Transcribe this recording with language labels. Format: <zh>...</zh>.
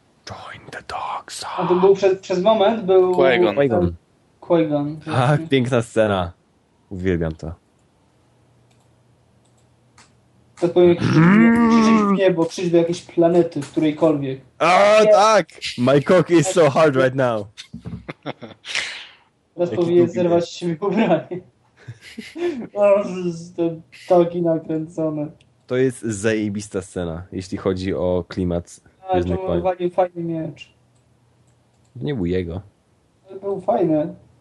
<en>Join the dark side.</en> <pl>A to był przez moment, był... Qui-Gon. Tak, piękna scena. Uwielbiam to. To powiem, bo przyjdź do jakiejś planety, którejkolwiek. A, tak!</pl> <en>My cock is so hard right now.</en> <pl>Teraz powinien zerwać się mi ubranie. Te toki nakręcone. To jest zajebista scena, jeśli chodzi o klimat. Ale to był fajny miecz. Nie był jego. To był fajny.</pl>